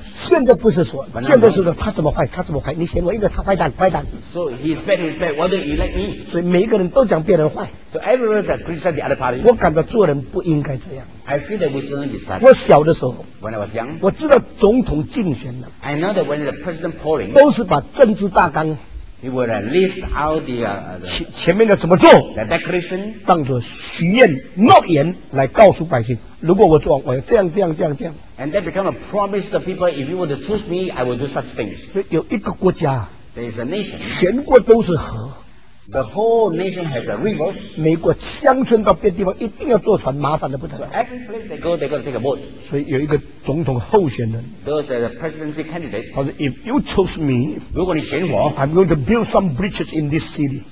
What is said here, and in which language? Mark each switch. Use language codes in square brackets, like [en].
[zh] 现在不是说，现在是说他怎么坏，他怎么坏，你选我一个，他坏蛋，坏蛋。 [en] So he's bad, he's bad. Why don't you like me? [zh] 所以每一个人都讲别人坏。 [en] So everyone that criticize the other party. [zh] 我感到做人不应该这样。 [en] I feel that we shouldn't be sad. [zh] 我小的时候 [en] ，When I was young， [zh] 我知道总统竞选的 [en] ，I know that when the president polling， [zh] 都是把政治大纲 [en] ，He would list out the [zh] 前面的怎么做 [en] ，The declaration， [zh] 当作许愿诺言来告诉百姓，如果我做，我要这样这样这样这样 [en] ，And that become a promise to people. If you were to choose me, I will do such things. [zh] 所以有一个国家 [en] ，There is a nation， [zh] 全国都是河。 [en] The whole nation has a rivers. [zh] 美国乡村到别的地方一定要坐船，麻烦的不得了。 [en] So every place they go, they got to take a boat. [zh] 所以有一个总统候选人。 [en] Those are the presidency candidate. [zh] 他说 [en] ，If you choose me, [zh] 如果你选我 [en] ，I'm going to build some bridges in this city.